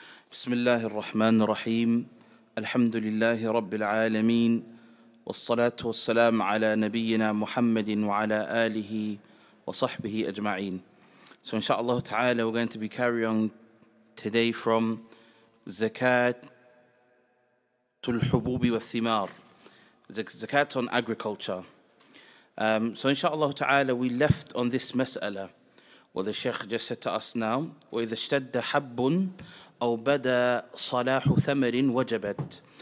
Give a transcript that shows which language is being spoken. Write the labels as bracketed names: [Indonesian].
[Arabic] بسم الله الرحمن الرحيم. الحمد لله رب العالمين، والصلاة والسلام على نبينا محمد وعلى آله وصحبه أجمعين. [English] So inshallah ta'ala, we're going to be carrying on today from zakat al-hubub wa thimar, zakat on agriculture. So inshallah ta'ala, we left on this mas'ala, what the Shaykh just said to us now. [Arabic] وَإِذَا اشْتَدَّ حَبٌّ أو بدا صلاح ثمر وجبت.